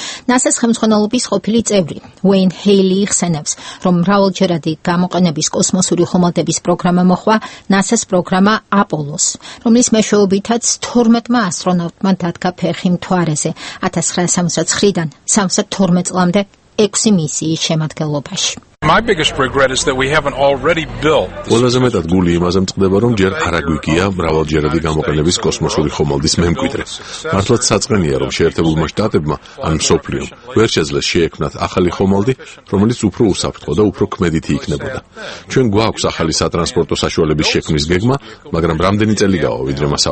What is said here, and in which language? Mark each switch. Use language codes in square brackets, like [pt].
[ka] ნასას ხელმძღვანელობის ყოფილი წევრი უეინ ჰეილი ხსენებს, რომ მრავალჯერადი გამოყენების კოსმოსური ხომალდების პროგრამა მოხვა ნასას პროგრამა აპოლოს, რომლის მეშვეობითაც 12 ასტრონავტმა დადგა ფეხი მთვარეზე 1969-დან 2012 წლამდე 6 მისიის შემადგენლობაში. [en] My biggest regret is that we haven't already built. [ka] ყველაზე მეტად გული იმაზე მწყდება, რომ ჯერ არ აგვიგია მრავალჯერადი გამოყენების კოსმოსური ხომალდის მემკვიდრე. მართლაც საწყენია, რომ შეერთებულმა შტატებმა, ან მსოფლიომ, ვერ შეძლეს შეექმნათ ახალი ხომალდი, რომელიც უფრო უსაფრთხო და უფრო ქმედითი იქნებოდა. ჩვენ გვაქვს ახალი სატრანსპორტო საშუალების შექმნის გეგმა, მაგრამ რამდენი წელი გავა, ვიდრე მას